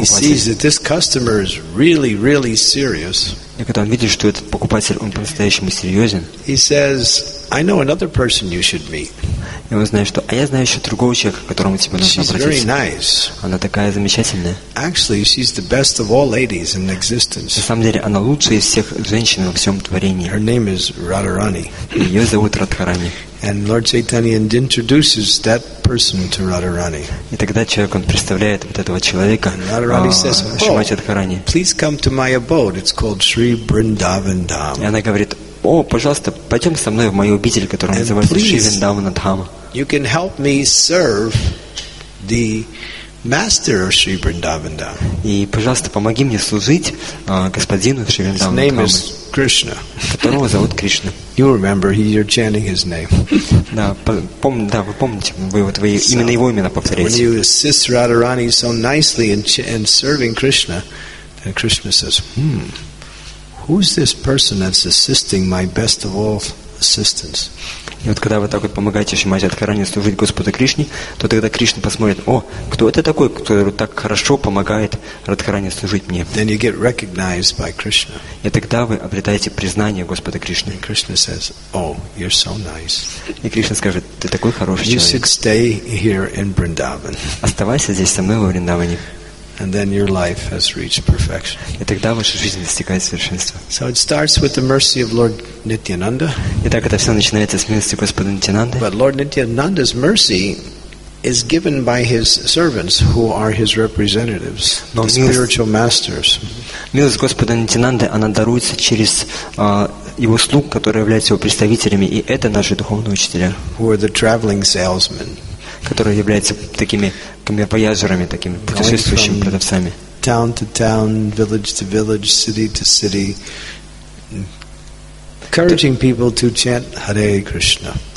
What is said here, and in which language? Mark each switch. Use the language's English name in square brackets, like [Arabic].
[English] when he sees that this customer is really, really serious, [Russian] и когда он видит, что этот покупатель, он по-настоящему серьезен, [English] he says, I know another person you should meet. [Russian] И он знает, что, а я знаю еще другого человека, к которому тебе нужно [English] she's [Russian] обратиться. [English] Very nice. [Russian] Она такая замечательная. [English] Actually, she's the best of all ladies in existence. [Russian] На самом деле, она лучшая из всех женщин во всем творении. [English] Her name is Radharani. [Russian] Ее зовут Радхарани. [English] And Lord Chaitanya introduces that person to Radharani. [Russian] И тогда человек, он представляет вот этого человека. [English] And Radharani says, "Oh, please come to my abode. It's called Sri Vrindavan Dham." [Russian] И она говорит: "О, пожалуйста, пойдем со мной в мою обитель, которая называется Шри Вриндавана Дхама." [English] You can help me serve the master of Sri Vrindavan Dham. [Russian] И пожалуйста, помоги мне служить господину Шри Вриндавана Дхамы. [English] His name is Krishna. [Russian] Которого зовут Кришна. [English] You remember, you're chanting his name. [Russian] Да, да, вы помните, вы вот вы именно его имя повторяете. [English] When you assist Radharani so nicely in serving Krishna, then Krishna says, who's this person that's assisting my best of all assistants? [Russian] И вот когда вы так вот помогаете Шримати Радхарани служить Господу Кришне, то тогда Кришна посмотрит: о, кто это такой, который так хорошо помогает Радхарани служить мне? [English] Then you get recognized by Krishna. [Russian] И тогда вы обретаете признание Господа Кришны. [English] And Krishna says, oh, you're so nice. [Russian] И Кришна скажет: ты такой хороший [English] you [Russian] человек. [English] You should stay here in Vrindavan. [Russian] Оставайся здесь со мной во Вриндаване. [English] And then your life has reached perfection. [Russian] И тогда ваша жизнь достигает совершенства. [English] So it starts with the mercy of Lord Nityananda. [Russian] И так это все начинается с милости Господа Нитьянанды. [English] But Lord Nityananda's mercy is given by his servants, who are his representatives, the spiritual masters. [Russian] Милость Господа Нитьянанды, она даруется через его слуг, которые являются его представителями, и это наши духовные учителя. [English] Who are the traveling salesmen? [Russian] Которые являются такими камерпояжерами, такими путешествующими продавцами. [English] Town to town, village to village, city to city, encouraging people to chant Hare Krishna.